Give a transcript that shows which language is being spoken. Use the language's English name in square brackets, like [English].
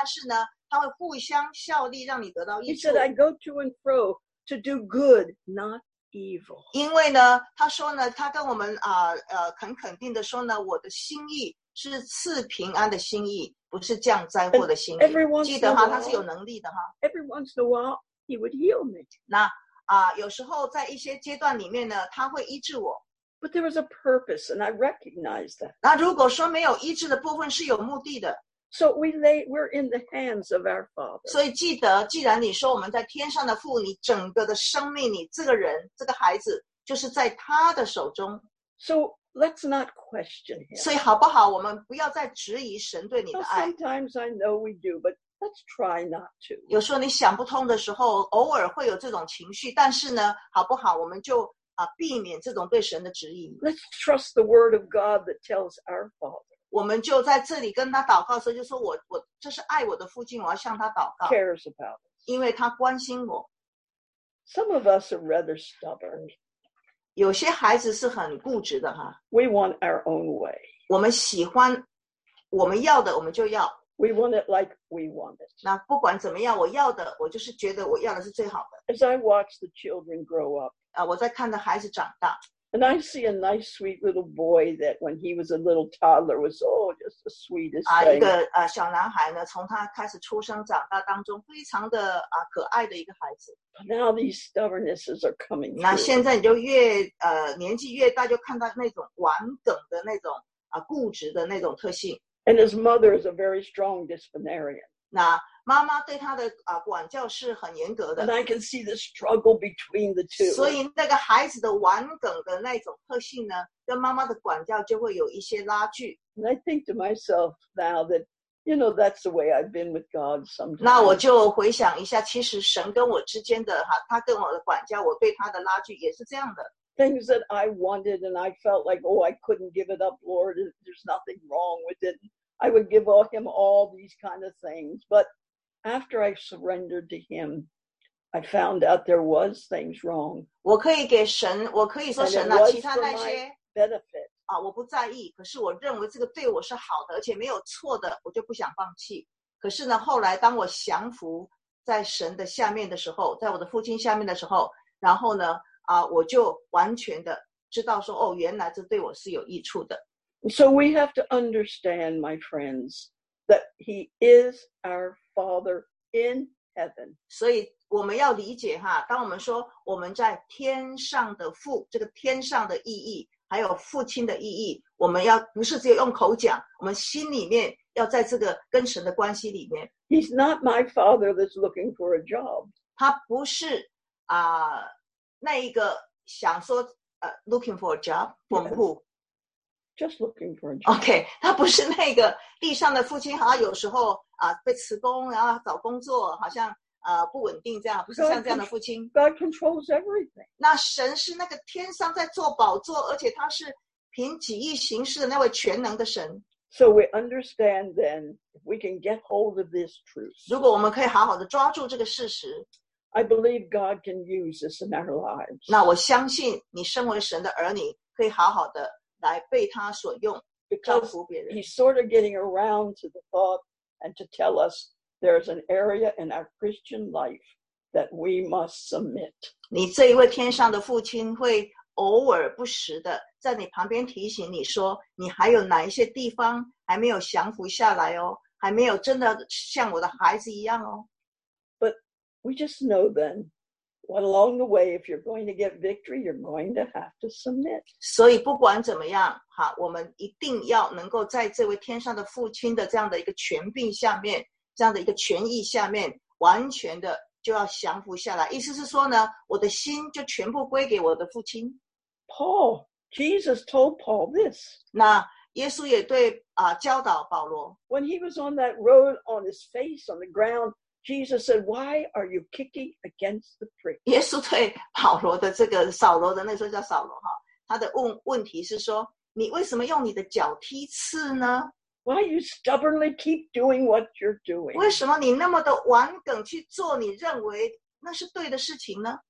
[Chinese] 他也预告告诉我们说，有一些不好的事情也会来临到你的身上，但是呢，他会互相效力，让你得到益处。 [English] He said, I go to and fro to do good, not evil. [Chinese] 因为呢，他说呢，他跟我们很肯定的说呢，我的心意是赐平安的心意。不是降灾祸的心意，记得哈，他是有能力的哈。 [English] Every once in a while, he would heal me. [Chinese] 那有时候在一些阶段里面呢，他会医治我。 [English] But there was a purpose, and I recognized that. [Chinese] 那如果说没有医治的部分是有目的的。 [English] So we're in the hands of our Father. [Chinese] 所以记得，既然你说我们在天上的父，你整个的生命，你这个人，这个孩子，就是在他的手中。 [English] So let's not question him. [Chinese] 所以好不好？我们不要再质疑神对你的爱。 [English] Well, sometimes I know we do, but let's try not to. [Chinese] 有时候你想不通的时候，偶尔会有这种情绪，但是呢，好不好？我们就啊，避免这种对神的质疑。 [English] Let's trust the word of God that tells our Father. [Chinese] 我们就在这里跟他祷告的时候就说我这是爱我的父亲我要向他祷告 [English] cares about [Chinese] 因为他关心我 [English] Some of us are rather stubborn [Chinese] 有些孩子是很固执的哈 [English] We want our own way [Chinese] 我们喜欢我们要的我们就要 [English] We want it like we want it [Chinese] 那不管怎么样我要的我就是觉得我要的是最好的 [English] As I watch the children grow up [Chinese] 我在看着孩子长大 [English] And I see a nice, sweet little boy that when he was a little toddler was, oh, just the sweetest thing. [Chinese] 一个小男孩呢，从他开始出生长大当中，非常的可爱的一个孩子。 [English] But now these stubbornnesses are coming. [Chinese] 那现在你就越年纪越大，就看到那种顽梗的那种固执的那种特性。 [English] And his mother is a very strong disciplinarian. [Chinese] 那妈妈对他的管教是很严格的。 [English] And I can see the struggle between the two. [Chinese] 所以那个孩子的顽梗的那种特性呢，跟妈妈的管教就会有一些拉锯。 [English] And I think to myself now that, you know, that's the way I've been with God sometimes. [Chinese] 那我就回想一下，其实神跟我之间的他跟我的管教，我对他的拉锯也是这样的。 [English] Things that I wanted and I felt like, oh, I couldn't give it up, Lord. There's nothing wrong with it. I would give him all these kind of things, but. After I surrendered to him, I found out there was things wrong. [Chinese] 我可以给神，我可以说神啊，其他那些 [English] benefit [Chinese] 我不在意。可是我认为这个对我是好的，而且没有错的，我就不想放弃。可是呢，后来当我降服在神的下面的时候，在我的父亲下面的时候，然后呢，我就完全的知道说，哦，原来这对我是有益处的。 [English] So we have to understand, my friends. That he is our Father in heaven. [Chinese] 所以我们要理解哈，当我们说我们在天上的父，这个天上的意义，还有父亲的意义，我们要不是只有用口讲，我们心里面要在这个跟神的关系里面。 [English] He's not my father that's looking for a job. [Chinese] 他不是那一个想说 [English] looking for a job, [Chinese] 本部。 [English] Yes. Just looking for a job. [Chinese] Okay, 他不是那个地上的父亲，好像有时候被辞工，然后找工作，好像不稳定这样，不是像这样的父亲。 [English] God controls everything. [Chinese] 那神是那个天上在坐宝座，而且他是凭己意行事的那位全能的神。 [English] So we understand then, if we can get hold of this truth. [Chinese] 如果我们可以好好的抓住这个事实。 [English] I believe God can use this in our lives. [Chinese] 那我相信你身为神的儿女，可以好好的。来被他所用 [English] Because he's sort of getting around to the thought and to tell us there's an area in our Christian life that we must submit. [Chinese] 你这一位天上的父亲会偶尔不时的在你旁边提醒你说你还有哪一些地方还没有降服下来哦还没有真的像我的孩子一样哦 [English] But we just know then. But along the way, if you're going to get victory, you're going to have to submit. [Chinese] 所以不管怎么样，哈，我们一定要能够在这位天上的父亲的这样的一个权柄下面，这样的一个权益下面，完全的就要降服下来。意思是说呢，我的心就全部归给我的父亲。 [English] Paul, Jesus told Paul this. [Chinese] 那耶稣也对教导保罗。 [English] When he was on that road on his face on the ground,Jesus said, "Why are you kicking against the pricks?" [Chinese] 耶稣对保罗的这个扫罗的那时候叫扫罗哈，他的问题是说，你为什么用你的脚踢刺呢 [English] ？Why you stubbornly keep doing what you're doing? [Chinese] 为什么你那么的顽梗去做你认为那是对的事情呢